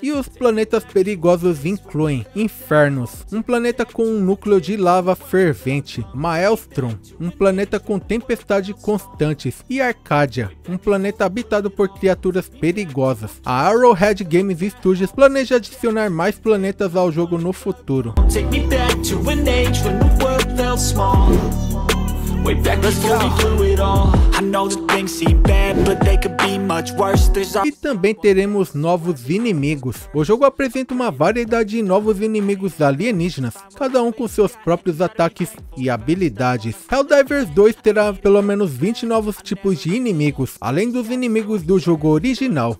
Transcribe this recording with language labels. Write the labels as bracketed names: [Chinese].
[Portuguese] E os planetas perigosos incluem Infernos, um planeta com um núcleo de lava fervente, Maelstrom, um planeta com tempestades constantes, e Arcadia, um planeta habitado por criaturas perigosas. A Arrowhead Games Studios planeja adicionar mais planetas ao jogo no futuro. [English] Take me back to an age when the world felt small. Way back before we blew it all. I know that things seem bad, but they could be much worse. [Portuguese] E também teremos novos inimigos. O jogo apresenta uma variedade de novos inimigos alienígenas, cada um com seus próprios ataques e habilidades. Helldivers 2 terá pelo menos 20 novos tipos de inimigos, além dos inimigos do jogo original.